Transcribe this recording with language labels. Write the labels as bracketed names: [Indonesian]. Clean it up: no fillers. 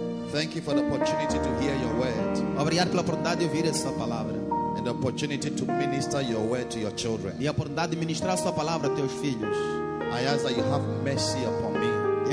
[English] thank you for the opportunity to hear your word. [Portuguese] Obrigado pela oportunidade de ouvir essa palavra. [English] And the opportunity to minister your word to your children. [Portuguese] E a oportunidade de ministrar sua palavra a teus filhos. [English] I ask that you have mercy upon me.